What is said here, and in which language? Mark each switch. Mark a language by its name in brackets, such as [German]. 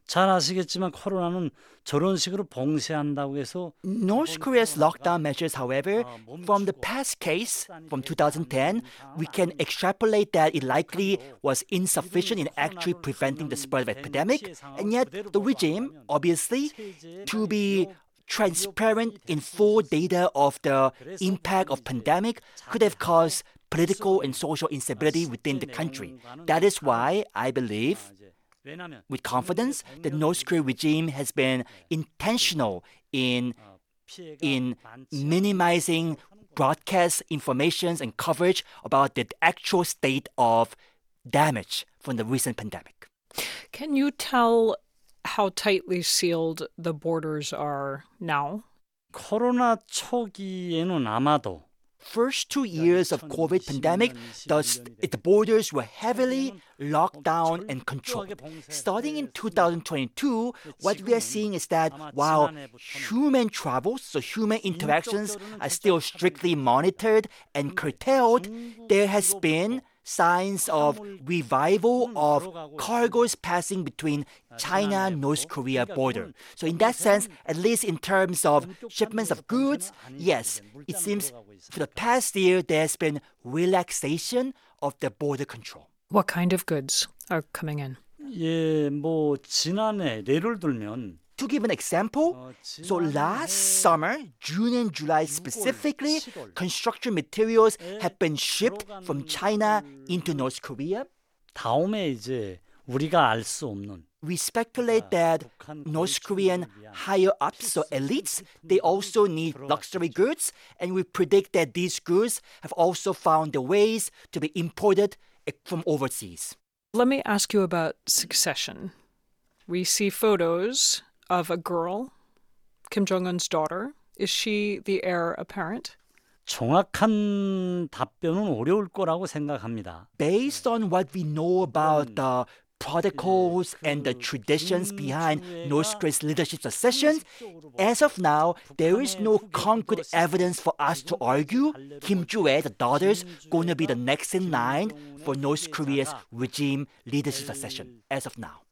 [Korean] 잘 아시겠지만 코로나는 저런 식으로 봉쇄한다고 해서 [English] North Korea's lockdown measures, however, from the past case from 2010, we can extrapolate that it likely was insufficient in actually preventing the spread of epidemic. And yet, the regime, obviously, to be transparent in full data of the impact of pandemic, could have caused political and social instability within the country. That is why I believe with confidence that the North Korean regime has been intentional in minimizing broadcast information and coverage about the actual state of damage from the recent pandemic. Can you tell how tightly sealed the borders are now? [Korean] 코로나 초기에는 아마도 [English] first 2 years of COVID pandemic, the borders were heavily locked down and controlled. Starting in 2022, what we are seeing is that while human travels, so human interactions, are still strictly monitored and curtailed, there has been signs of revival of cargoes passing between China and North Korea border. So in that sense, at least in terms of shipments of goods, yes, it seems for the past year there's been relaxation of the border control. What kind of goods are coming in? [Korean] 예, 뭐 지난해 예를 들면 [English] to give an example, so last summer, June and July specifically, construction materials have been shipped from China into North Korea. [Korean] 다음에 이제 우리가 알 수 없는 [English] we speculate that North Korean higher-ups, so elites, they also need luxury goods, and we predict that these goods have also found the ways to be imported from overseas. Let me ask you about succession. We see photos of a girl, Kim Jong-un's daughter. Is she the heir apparent? [Korean] 정확한 답변은 어려울 거라고 생각합니다. [English] Based on what we know about the protocols and the traditions behind North Korea's leadership succession, as of now, there is no concrete evidence for us to argue Kim Ju-hae, the daughter's, going to be the next in line for North Korea's regime leadership succession, as of now.